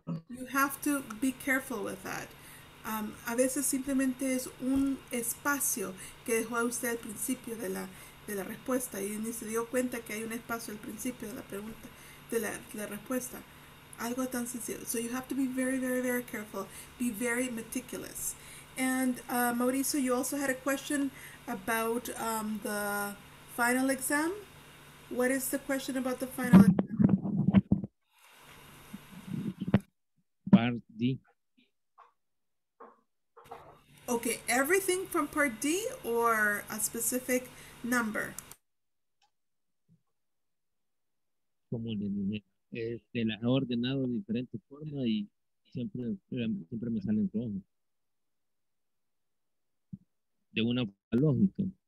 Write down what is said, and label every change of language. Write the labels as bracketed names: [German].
[English] You have to be careful with that. [Spanish] A veces simplemente es un espacio que dejó a usted al principio de la respuesta y ni se dio cuenta que hay un espacio al principio de la pregunta. De la respuesta. Algo tan sencillo. [English] So you have to be very, very, very careful. Be very meticulous. And Mauricio, you also had a question about the final exam. What is the question about the final exam? Part D. Okay, everything from Part D or a specific number? [Spanish] Como de las he ordenado de diferentes formas y siempre me salen rojos. De una forma lógica.